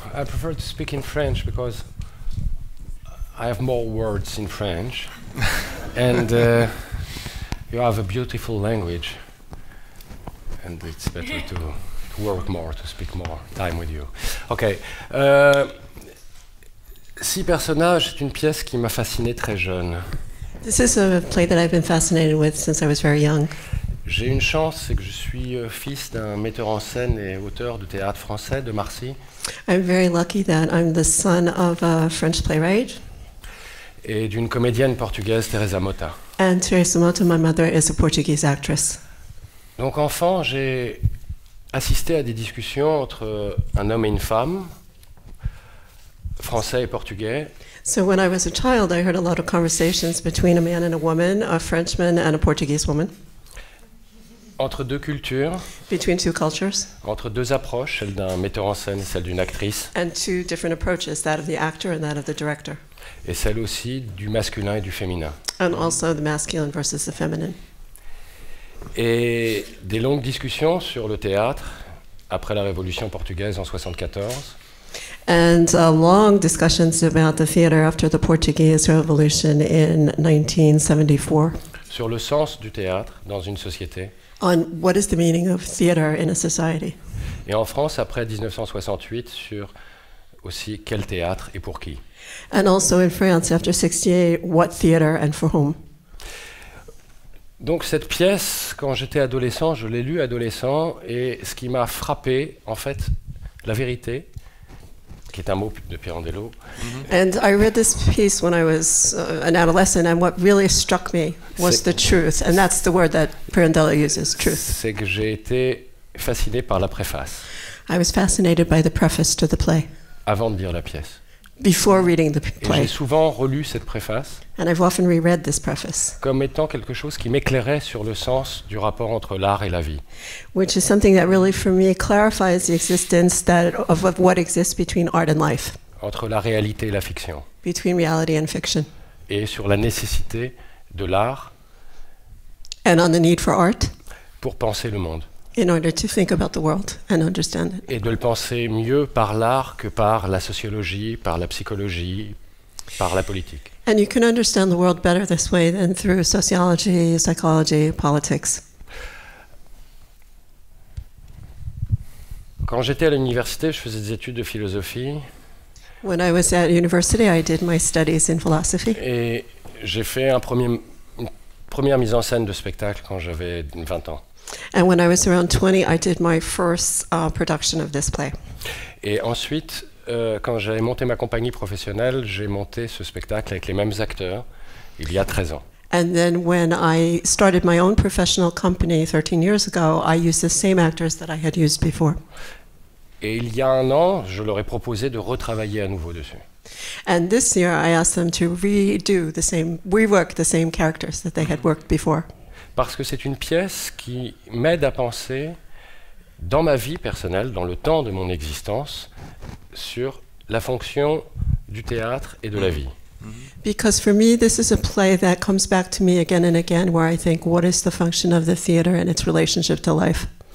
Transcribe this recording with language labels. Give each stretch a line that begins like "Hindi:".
English: I prefer to speak in French because I have more words in French. And you have a beautiful language. And it's better to work more, to speak more time with you. Okay.
French: Six personnages, c'est une pièce qui m'a fasciné très jeune.
English: This is a play that I've been fascinated with since I was very young.
French: J'ai une chance, c'est que je suis fils d'un metteur en scène et auteur de théâtre français de Marcy.
English: I'm very lucky that I'm the son of a French playwright.
French: Et d'une comédienne portugaise, Teresa Mota.
English: And Teresa Mota, my mother, is a Portuguese actress.
French: Donc enfant, j'ai assisté à des discussions entre un homme et une femme, français et portugais.
English: So when I was a child, I heard a lot of conversations between a man and a woman, a Frenchman and a Portuguese woman.
French: Entre deux cultures.
English: Between two cultures.
French: Entre deux approches, celle d'un metteur en scène et celle d'une actrice.
English: And two different approaches, that of the actor and that of the director.
French: Et celle aussi du masculin et du féminin.
English: And also the masculine versus the feminine.
French: Et des longues discussions sur le théâtre après la Révolution portugaise en 1974.
English: And long discussions about the theater after the Portuguese Revolution in 1974.
French: Sur le sens du théâtre dans une société.
English: On what is the meaning of theater in a society.
French: Et en France après 1968 sur aussi quel théâtre et pour qui.
English: And also in France after 68, what theater and for whom.
French: Donc cette pièce, quand j'étais adolescent, je l'ai lue adolescent, et ce qui m'a frappé, en fait, la vérité, qui est un mot de Pirandello.
English: And I read this piece when I was an adolescent, and what really struck me was the truth, and that's the word that Pirandello uses, truth.
French: C'est que j'ai été fasciné par la préface.
English: I was fascinated by the preface to the play.
French: Avant de lire la pièce.
English: Before reading the play.
French: Et j'ai souvent relu cette préface.
English: And I've often reread this preface.
French: Comme étant quelque chose qui m'éclairait sur le sens du rapport entre l'art et la vie.
English: Which is something that really for me clarifies the existence that of what exists between art and life.
French: Entre la réalité et la fiction.
English: Between reality and fiction.
French: Et sur la nécessité de l'art.
English: And on the need for art.
French: Pour penser le monde.
English: In order to think about the world and understand it.
French: Et de le penser mieux par l'art que par la sociologie, par la psychologie, par la politique.
English: And you can understand the world better this way than through sociology, psychology, politics.
French: Quand j'étais à l'université, je faisais des études de philosophie.
English: When I was at university, I did my studies in philosophy.
French: Et j'ai fait une première mise en scène de spectacle quand j'avais 20 ans.
English: And when I was around 20, I did my first production of this play.
French: Et ensuite, quand j'ai monté ma compagnie professionnelle, j'ai monté ce spectacle avec les mêmes acteurs il y a 13 ans.
English: And then when I started my own professional company 13 years ago, I used the same actors that I had used before.
French: Et il y a un an, je leur ai proposé de retravailler à nouveau dessus.
English: And this year, I asked them to redo the same, rework the same characters that they had worked before.
French: Parce que c'est une pièce qui m'aide à penser dans ma vie personnelle, dans le temps de mon existence, sur la fonction du théâtre et de la vie.
English: Because for me, this is a play that comes back to me again and again, where I think, what is the function of the theater and its relationship to life?